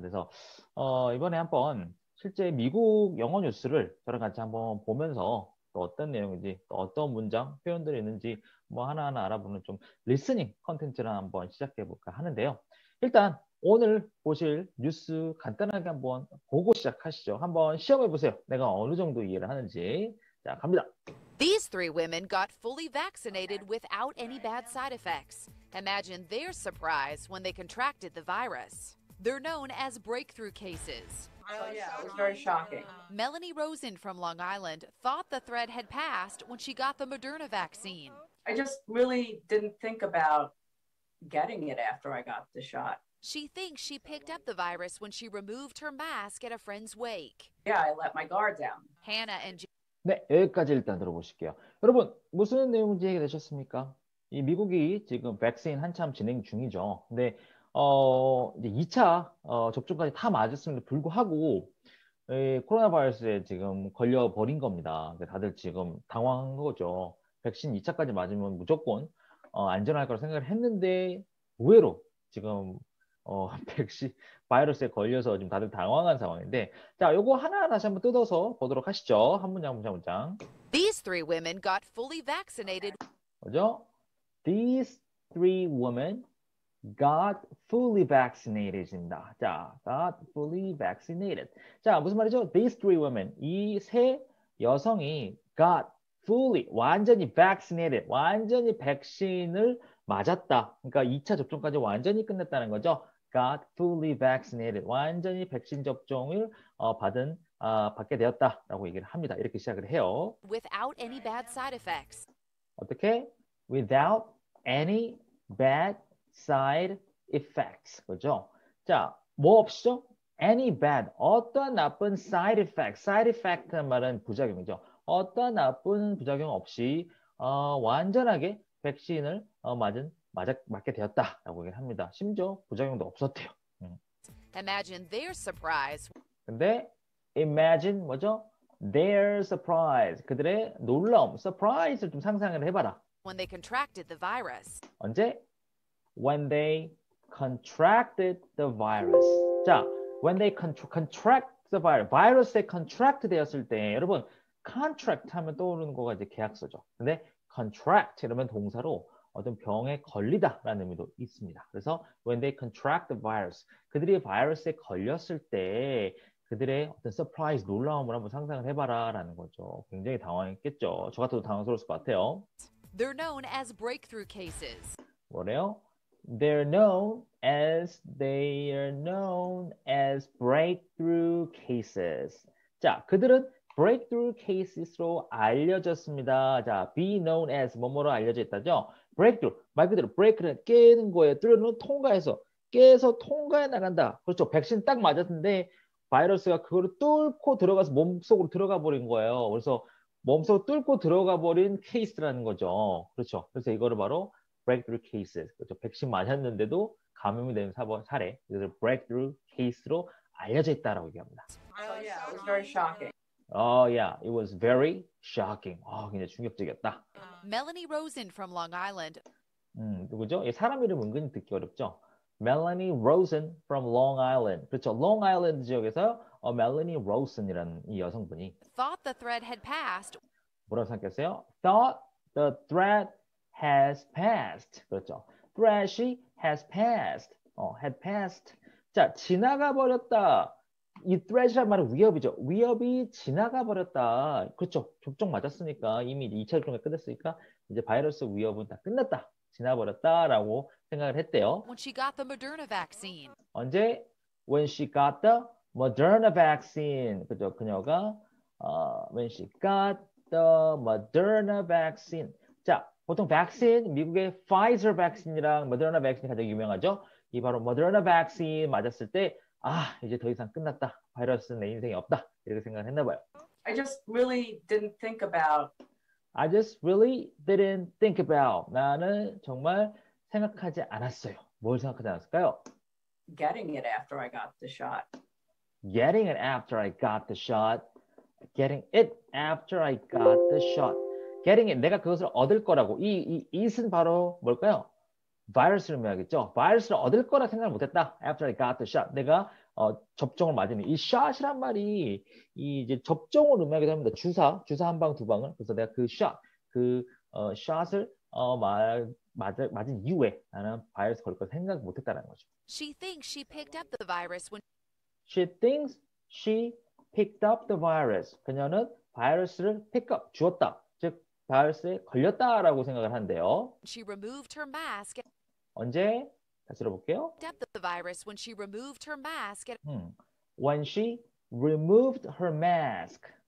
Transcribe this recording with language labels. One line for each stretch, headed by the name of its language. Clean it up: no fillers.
Korean: 그래서, 이번에 한번 실제 미국 영어 뉴스를 저랑 같이 한번 보면서 또 어떤 내용인지, 또 어떤 문장, 표현들이 있는지 뭐 하나하나 알아보는 좀 리스닝 컨텐츠를 한번 시작해볼까 하는데요. 일단, 오늘 보실 뉴스 간단하게 한번 보고 시작하시죠. 한번 시험해 보세요. 내가 어느 정도 이해를 하는지. 자, 갑니다.
English: These three women got fully vaccinated without any bad side effects. Imagine their surprise when they contracted the virus. They're known as breakthrough cases. Oh, yeah, it was very shocking. Melanie Rosen from Long Island thought the thread had passed when she got the Moderna vaccine. I just really didn't think about getting it after I got the shot. She thinks she picked up the virus when she removed her mask at a friend's wake. Yeah, I let my guard down. Hannah and
Korean: 네, 여기까지 일단 들어보실게요. 여러분, 무슨 내용인지 얘기되셨습니까? 이 미국이 지금 백신 한참 진행 중이죠. 근데 이제 2차 접종까지 다 맞았음에도 불구하고 코로나 바이러스에 지금 걸려 버린 겁니다. 다들 지금 당황한 거죠. 백신 2차까지 맞으면 무조건 안전할 거라 생각을 했는데 의외로 지금 백신 바이러스에 걸려서 지금 다들 당황한 상황인데, 자, 요거 하나 다시 한번 뜯어서 보도록 하시죠. 한 문장, 문장, 문장.
English: These three women got fully vaccinated.
Korean: 뭐죠?
English: These three women got fully vaccinated입니다.
Korean: 자,
English: got fully vaccinated.
Korean: 자, 무슨 말이죠?
English: These three women,
Korean: 이세 여성이
English: got fully,
Korean: 완전히 vaccinated, 완전히 백신을 맞았다. 그러니까 2차 접종까지 완전히 끝냈다는 거죠.
English: Got fully vaccinated.
Korean: 완전히 백신 접종을 받게 되었다라고 얘기를 합니다. 이렇게 시작을 해요.
English: Without any bad side effects.
Korean: 어떻게?
English: Without any bad side effects.
Korean: 그죠? 자, 뭐 없죠?
English: Any bad.
Korean: 어떠한 나쁜 side effect. Side effect란 말은 부작용이죠. 어떠한 나쁜 부작용 없이 완전하게 백신을 맞게 되었다라고 얘기를 합니다. 심지어 부작용도 없었대요.
English: Imagine their surprise.
Korean: 근데 imagine 뭐죠?
English: Their surprise.
Korean: 그들의 놀라움, surprise를 좀 상상을 해봐라.
English: When they contracted the virus.
Korean: 언제?
English: When they contracted the virus.
Korean: 자,
English: when they contract the virus.
Korean: 바이러스에 contract 되었을 때, 여러분 contract 하면 떠오르는 거가 이제 계약서죠. 근데 contract 이러면 동사로 어떤 병에 걸리다라는 의미도 있습니다. 그래서
English: when they contract the virus,
Korean: 그들이 바이러스에 걸렸을 때 그들의 어떤 서프라이즈 놀라움을 한번 상상을 해봐라라는 거죠. 굉장히 당황했겠죠. 저 같아도 당황스러웠을 것 같아요.
English: They're known as breakthrough cases.
Korean: 뭐래요?
English: They are known as breakthrough cases.
Korean: 자, 그들은 breakthrough cases로 알려졌습니다. 자,
English: be known as
Korean: 뭐뭐로 알려져 있다죠? breakthrough, 말 그대로 break는 깨는 거예요. through는 통과해서, 깨서 통과해 나간다. 그렇죠. 백신 딱 맞았는데 바이러스가 그거를 뚫고 들어가서 몸속으로 들어가 버린 거예요. 그래서 몸속 뚫고 들어가 버린 케이스라는 거죠. 그렇죠. 그래서 이거를 바로 breakthrough cases. 그렇죠. 백신 맞았는데도 감염이 되는 사례. 이것을 breakthrough case로 알려져 있다라고 얘기합니다.
English: Oh, yeah, it was very shocking. Oh, yeah, it was very shocking.
Korean: 굉장히 충격적이었다.
English: Melanie Rosen from Long Island.
Korean: 누구죠? 예, 사람 이름 은근히 듣기 어렵죠?
English: Melanie Rosen from Long Island.
Korean: 그렇죠. Long Island 지역에서 Melanie Rosen이라는 이 여성분이
English: Thought the thread had passed.
Korean: 뭐라고 생각했어요?
English: Thought the threat has passed.
Korean: 그렇죠.
English: Threat이 has passed. Had passed.
Korean: 자, 지나가 버렸다. 이 threat이란 말은 위협이죠. 위협이 지나가 버렸다. 그렇죠. 접종 맞았으니까, 이미 2차 접종이 끝났으니까, 이제 바이러스 위협은 다 끝났다. 지나버렸다라고 생각을 했대요.
English: When she got the Moderna vaccine.
Korean: 언제?
English: When she got the Moderna vaccine.
Korean: 그죠. 그녀가,
English: when she got the Moderna vaccine.
Korean: 자, 보통 vaccine, 미국의 Pfizer vaccine이랑 Moderna vaccine이 가장 유명하죠. 이 바로 Moderna vaccine 맞았을 때, 아, 이제 더 이상 끝났다. 바이러스는 내 인생에 없다. 이렇게 생각을 했나 봐요.
English: I just really didn't think about. I just really didn't think about.
Korean: 나는 정말 생각하지 않았어요. 뭘 생각하지 않았을까요?
English: Getting it after I got the shot. Getting it after I got the shot. Getting it after I got the shot. Getting it,
Korean: 내가 그것을 얻을 거라고. 이 it은 바로 뭘까요? 바이러스를 의미하겠죠. 바이러스를 얻을 거라 생각을 못했다.
English: After I got the shot.
Korean: 내가 접종을 맞으면. 이 shot이란 말이 이 이제 접종을 의미하게 됩니다. 주사 한 방, 두 방을. 그래서 내가 그 shot, 그 shot을 맞은 이후에 나는 바이러스 걸릴 걸 생각을 못했다는 거죠.
English: She thinks she picked up the virus when... She thinks she picked up the virus.
Korean: 그녀는 바이러스를 pick up, 주었다. 즉, 바이러스에 걸렸다라고 생각을 한대요.
English: She removed her mask.
Korean: 언제? 다시 들어볼게요.
English: The virus when she removed her mask. When she removed her mask.